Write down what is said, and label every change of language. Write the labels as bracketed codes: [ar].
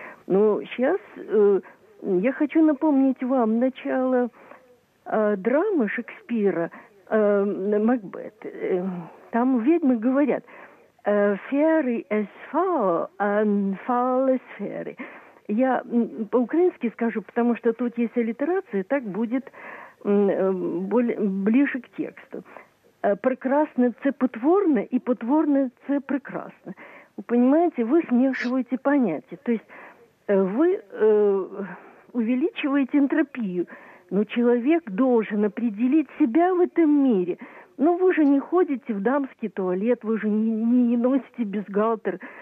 [ru] Но сейчас я хочу напомнить вам начало драмы Шекспира «Макбет». Там ведьмы говорят: [en] «Fairy as foul and foul as fairy». [ru] Я по-украински скажу, потому что тут есть аллитерация, так будет ближе к тексту. [uk] «Прекрасно» – це потворно, и «потворно» – це прекрасно. [ru] Вы понимаете, вы смешиваете понятия. То есть вы увеличиваете энтропию. Но человек должен определить себя в этом мире. Ну, вы же не ходите в дамский туалет, вы же не носите бюстгальтер.